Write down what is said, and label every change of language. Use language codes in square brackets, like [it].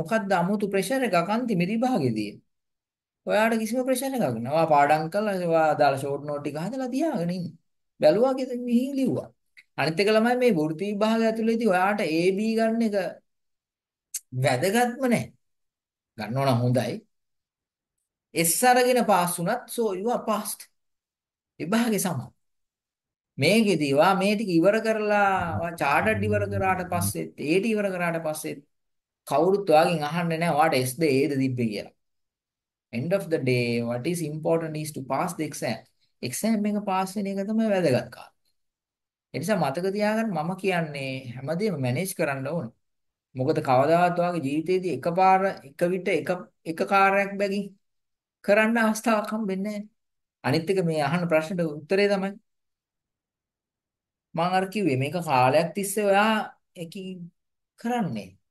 [si] මොකද්ද අමුතු ප්‍රෙෂර් එකක් අන්තිම විභාගෙදී. ඔයාට කිසිම ප්‍රශ්න එකක් නෑ. ඔයා පාඩම් කළා, ඔයා දාලා ෂෝට් නෝට් ටික හදලා තියාගෙන ඉන්න. බැලුවා කිසිම මිහි ලිව්වා. අනිත් එක ළමයි මේ වෘත්ති විභාගය ඇතුලේදී ඔයාට AB ගන්න එක වැදගත්ම නෑ. ගන්න ඕන හොඳයි. S අරගෙන පාස් වුණත් [en] so you are passed. [si] විභාගෙ සමා. මේකෙදී වා මේ ටික ඉවර කරලා වා චාටර් ඉවර කරාට පස්සේ ඒ ටික ඉවර කරාට පස්සේ කවුරුත් ඔයාගෙන් අහන්නේ නැහැ ඔයාට S'ද A'ද තිබ්බේ කියලා. [en] End of the day, what is important is to pass the exam. [si] Exam එක pass වෙන එක තමයි වැදගත් කාරණා. ඒ නිසා මතක තියාගන්න මම කියන්නේ හැමදේම manage කරන්න ඕන. මොකද කවදාවත් ඔයාගේ ජීවිතේදී එකපාර එක විට එක එක කාර්යයක් බැගින් කරන්න අවස්ථාවක් හම්බෙන්නේ නැහැ. අනිත් එක මේ අහන ප්‍රශ්නට උත්තරේ තමයි මම අර කිව්වේ මේක කාලයක් තිස්සේ ඔයා එකී කරන්නේ.